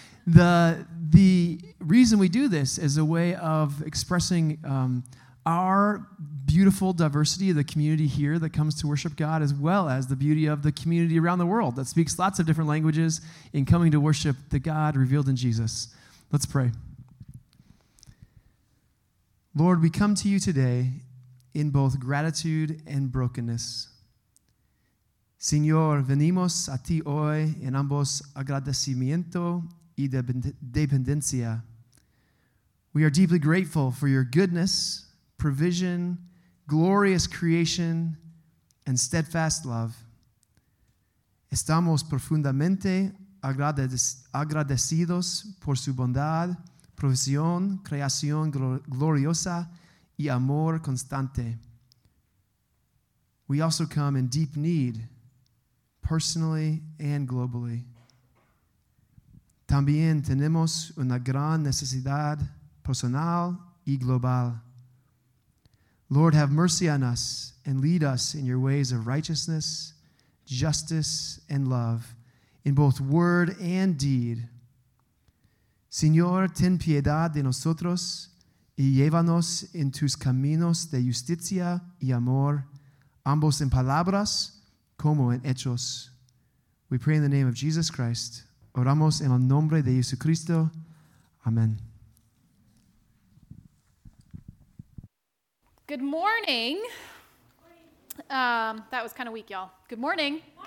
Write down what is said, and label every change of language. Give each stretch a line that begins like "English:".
English: The reason we do this is a way of expressing our beautiful diversity of the community here that comes to worship God, as well as the beauty of the community around the world that speaks lots of different languages in coming to worship the God revealed in Jesus. Let's pray. Lord, we come to you today in both gratitude and brokenness.
Spanish: Señor, venimos a ti hoy en ambos agradecimiento y dependencia.
English: We are deeply grateful for your goodness, provision, glorious creation, and steadfast love.
Spanish: Estamos profundamente agradecidos por su bondad, provisión, creación gloriosa, y amor constante.
English: We also come in deep need, personally and globally.
Spanish: También tenemos una gran necesidad personal y global.
English: Lord, have mercy on us and lead us in your ways of righteousness, justice, and love, in both word and deed.
Spanish: Señor, ten piedad de nosotros y llévanos en tus caminos de justicia y amor, ambos en palabras como en hechos.
English: We pray in the name of Jesus Christ.
Spanish: Oramos en el nombre de Jesucristo. Amen.
English: Good morning. That was kind of weak, y'all. Good morning.